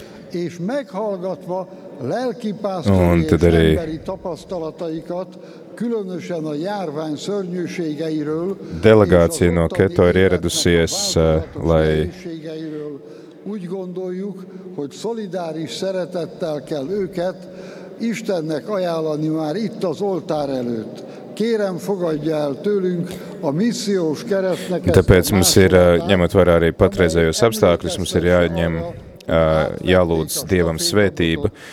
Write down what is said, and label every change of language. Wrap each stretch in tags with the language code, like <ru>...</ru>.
<hu>És meghallgatva lelkipásztori emberi tapasztalataikat, különösen a járvány szörnyűségeiről,</hu> <lv>delegācija no Keto ir ieradusies, lai</lv> <hu>úgy gondoljuk, hogy szolidáris szeretettel kell őket Istennek ajánlani már itt az oltár előtt. Kérem, fogadja el tőlünk a missziós keresztnek...</hu> <lv>Tāpēc mums ir, ņemot vairāk arī patreizējos apstākļus, mums ir jāņem, jālūdz Dievam svētība.</lv>